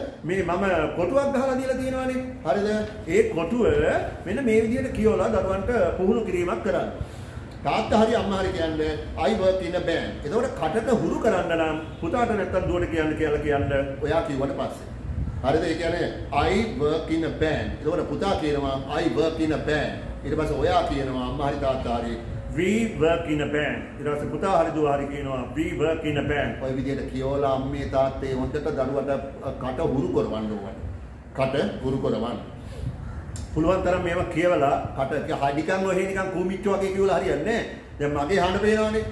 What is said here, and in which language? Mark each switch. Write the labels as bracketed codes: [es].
[si] මේ මම කොටුවක් ගහලා දීලා තියෙනවානේ හරිද ඒ කොටුව මෙන්න මේ විදිහට කියවලා දරුවන්ට පුහුණු කිරීමක් කරන්න තාත්තා හරි අම්මා හරි කියන්නේ [en] I work in a band. [si] ඒකෝට කටට හුරු කරන්න නම් පුතාට නැත්තම් දුවට කියන්න කියලා කියන්න ඔයා කිව්වට පස්සේ. හරිද? ඒ කියන්නේ [en] I work in a band. [si] ඒකෝට පුතා කියනවා [en] I work in a band. [si] ඊට පස්සේ ඔයා කියනවා අම්මා හරි තාත්තා හරි [en] We work in a band. [si] ඊට පස්සේ පුතා හරි දුව හරි කියනවා [en] We work in a band. [si] ඔය විදිහට කියෝලා අම්මේ තාත්තේ හොඳට දරුවට කට හුරු කරවන්න ඕන. කට හුරු කරවන්න. පුළුවන් තරම් මේවා කියවලා කට හඩිකන් ඔහේ නිකන් කූමිච්චෝ වගේ කියවලා හරියන්නේ නැහැ. දැන් මගේ හඬ පේනවනේ.